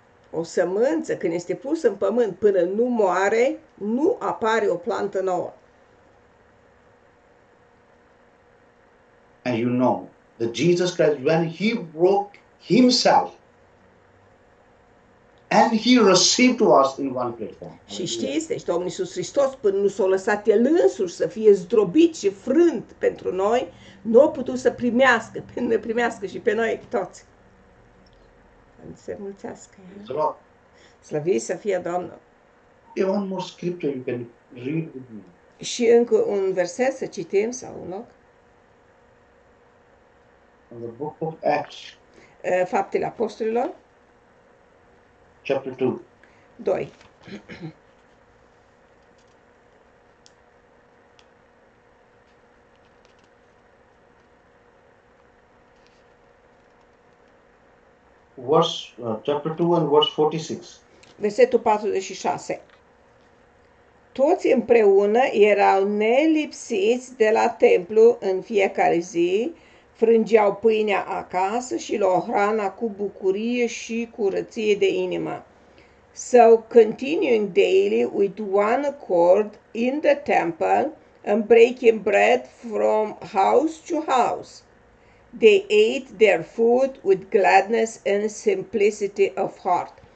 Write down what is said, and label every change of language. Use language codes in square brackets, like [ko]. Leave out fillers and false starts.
[ro] O sămânță, când este pus în pământ până nu moare, nu apare o plantă nouă. [en] And you know that Jesus Christ, when he broke himself, and he received us in one platform. [ro] Și știți, deci Domnul Iisus Hristos, până nu s-a lăsat el însuși să fie zdrobit și frânt pentru noi, nu a putut să primească, până ne primească și pe noi toți. Să se mulțească. Slăviți să fie Domnul. [en] One more scripture you can read with me. [ro] Și încă un verset să citim sau un loc. [en] In the book of Acts. [ro] Faptele Apostolilor. [en] Chapter 2. [ro] 2. [en] Chapter 2 and verse 46. [ro] Versetul 46. Toți împreună erau nelipsiți de la templu în fiecare zi, frângeau pâinea acasă și luau hrana cu bucurie și curăție de inimă. [en] So, continuing daily with one accord in the temple and breaking bread from house to house, they ate their food with gladness and simplicity of heart.